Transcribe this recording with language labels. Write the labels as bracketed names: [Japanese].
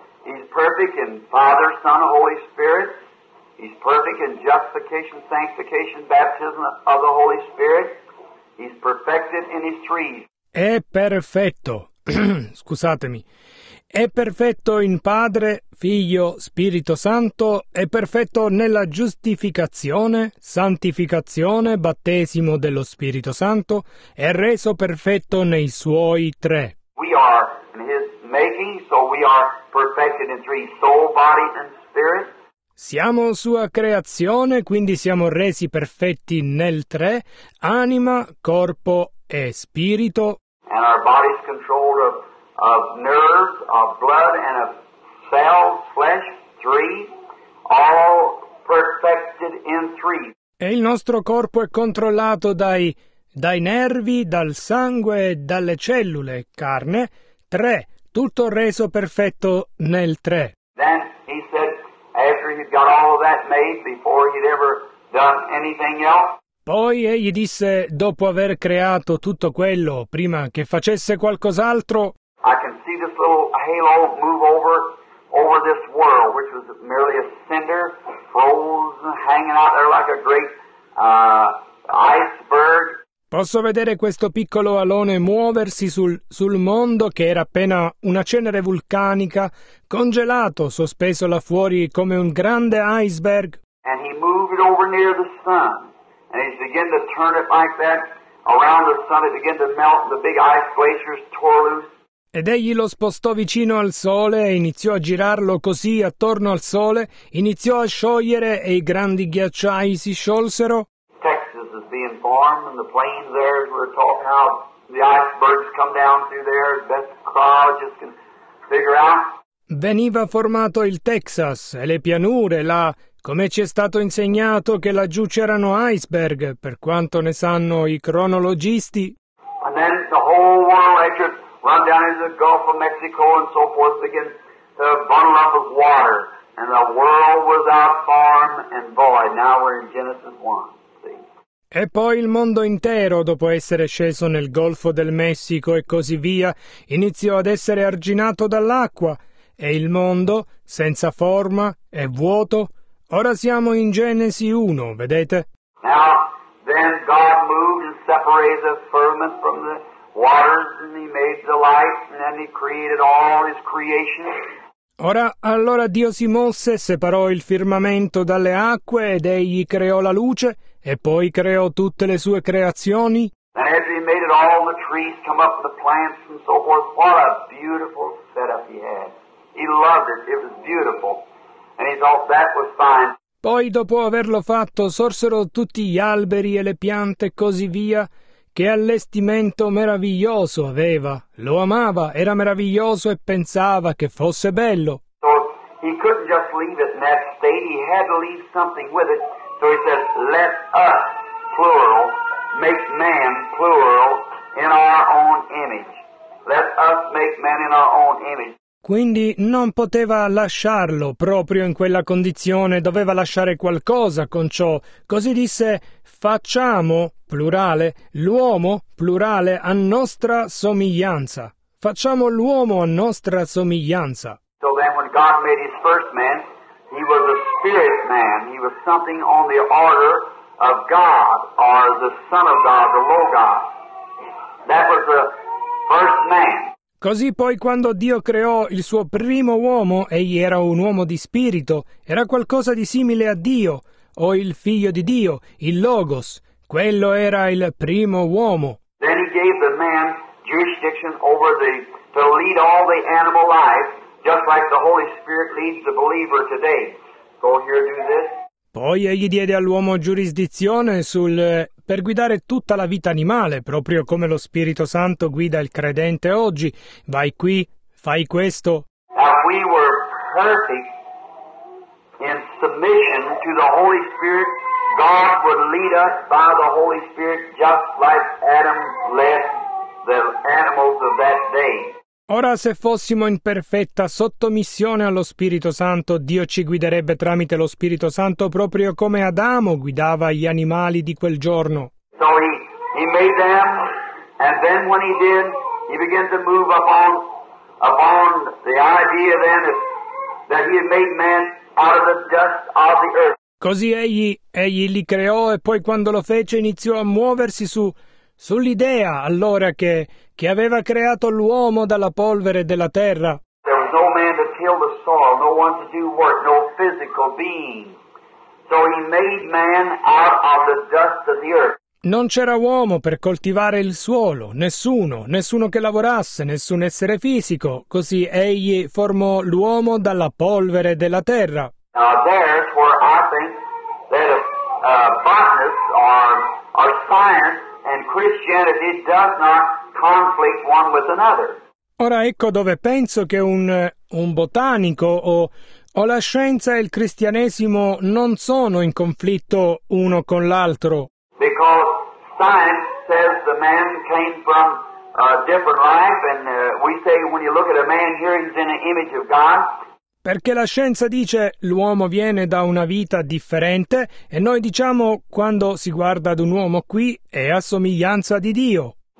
[English] He's perfect in Father, Son, Holy Spirit. He's perfect in justification, sanctification, baptism of the Holy Spirit. He's perfected in his threes. [Italian] È perfetto. Scusatemi. È perfetto in Padre, Figlio, Spirito Santo, è perfetto nella giustificazione, santificazione, battesimo dello Spirito Santo, è reso perfetto nei suoi tre. [English] We are in his making, so we are perfected in three, soul, body and spirit. [Italian] Siamo sua creazione, quindi siamo resi perfetti nel tre, anima, corpo e spirito. [English] And our body's controlled of nerves, of blood, and of cells, flesh, three, all perfected in three. [Italian] E il nostro corpo è controllato dai nervi, dal sangue, dalle cellule, carne, tre, tutto reso perfetto nel tre. [English] Then he said, after he'd got all of that made, before he'd ever done anything else, [Italian] poi egli disse, dopo aver creato tutto quello, prima che facesse qualcos'altro, [English] I can see this little halo move over this world, which was merely a cinder, frozen, hanging out there like a great iceberg. [Italian] Posso vedere questo piccolo alone muoversi sul mondo che era appena una cenere vulcanica, congelato, sospeso là fuori come un grande iceberg. [English] And he moved over near the sun. And he began to turn it like that around the sun. It began to melt. The big ice glaciers tore loose. [Italian] Ed egli lo spostò vicino al sole e iniziò a girarlo così attorno al sole. Iniziò a sciogliere e i grandi ghiacciai si sciolsero. [English] Texas is being formed, and the plains there, as we're talking, how the icebergs come down through there. Best crowd just can figure out. [Italian] Veniva formato il Texas e le pianure là. Come ci è stato insegnato che laggiù c'erano iceberg, per quanto ne sanno i cronologisti. [English] And then the whole world actually run down into the Gulf of Mexico and so forth, began to bundle up with water. And the world was out form and void. Now we're in Genesis 1. [Italian] E poi il mondo intero, dopo essere sceso nel Golfo del Messico e così via, iniziò ad essere arginato dall'acqua. E il mondo, senza forma, è vuoto. Ora siamo in Genesi 1, vedete? [English] Now, then God moved and separated the firmament from the waters, and he made the light, and then he created all his creation. [Italian] Ora, allora Dio si mosse, separò il firmamento dalle acque ed egli creò la luce e poi creò tutte le sue creazioni. [English] And as he made it all, the trees come up, the plants and so forth. What a beautiful setup he had. He loved it. It was beautiful. And he thought that was fine. [Italian] Poi, dopo averlo fatto, sorsero tutti gli alberi e le piante e così via. Che allestimento meraviglioso aveva. Lo amava, era meraviglioso e pensava che fosse bello. [English] So he couldn't just leave it in that state. He had to leave something with it. So he said, let us, plural, make man, plural, in our own image. Let us make man in our own image. [Italian] Quindi non poteva lasciarlo proprio in quella condizione, doveva lasciare qualcosa con ciò. Così disse, facciamo, plurale, l'uomo, plurale, a nostra somiglianza. Facciamo l'uomo a nostra somiglianza. [English] So then when God made his first man, he was a spirit man. He was something on the order of God, or the Son of God, the Logos. That was the first man. [Italian] Così poi quando Dio creò il suo primo uomo, egli era un uomo di spirito, era qualcosa di simile a Dio, o il figlio di Dio, il Logos, quello era il primo uomo. [English] Then he gave the man jurisdiction over the, to lead all the animal life, just like the Holy Spirit leads the believer today. Go here, do this. [Italian] Poi egli diede all'uomo giurisdizione sul per guidare tutta la vita animale, proprio come lo Spirito Santo guida il credente oggi. Vai qui, fai questo. [English] Now we were perfect in submission to the Holy Spirit. God would lead us by the Holy Spirit just like Adam led the animals of that day. [Italian] Ora, se fossimo in perfetta sottomissione allo Spirito Santo, Dio ci guiderebbe tramite lo Spirito Santo proprio come Adamo guidava gli animali di quel giorno. [English] So he made them, and then when he did, he began to move upon the idea then that he had made man out of the dust of the earth. [Italian] Così egli li creò e poi quando lo fece iniziò a muoversi sull'idea, allora, che aveva creato l'uomo dalla polvere della terra. [English] There was no man to till the soil, no one to do work, no physical being. So he made man out of the dust of the earth. [Italian] Non c'era uomo per coltivare il suolo, nessuno che lavorasse, nessun essere fisico. Così egli formò l'uomo dalla polvere della terra. [English] Now there's where I think that botanists or science and Christianity does not conflict one with another. [Italian] Ora ecco dove penso che un botanico o la scienza e il cristianesimo non sono in conflitto uno con l'altro. [English] Because science says the man came from a different life, and we say when you look at a man here, he's in an image of God. [Italian] Perché la scienza dice l'uomo viene da una vita differente e noi diciamo quando si guarda ad un uomo qui è a somiglianza di Dio.